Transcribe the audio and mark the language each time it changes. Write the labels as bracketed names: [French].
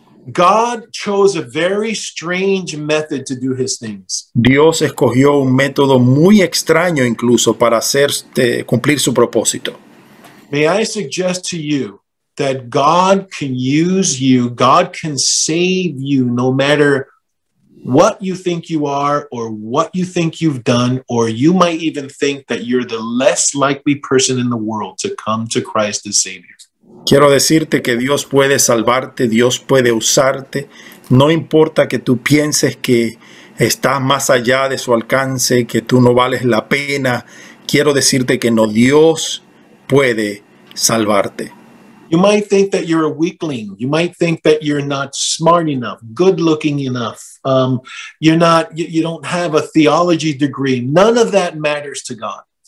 [English] God chose a very strange method to do his things. [Spanish] Dios escogió un método muy extraño incluso para hacer cumplir su propósito. [English] May I suggest to you that God can use you, God can save you no matter what you think you are or what you think you've done, or you might even think that you're the less likely person in the world to come to Christ as Savior. [Spanish] Quiero decirte que Dios puede salvarte, Dios puede usarte. No importa que tú pienses que estás más allá de su alcance, que tú no vales la pena. Quiero decirte que no, Dios puede salvarte. [English] You might think that you're a weakling. You might think that you're not smart enough, good looking enough. You don't have a theology degree. None of that matters to God.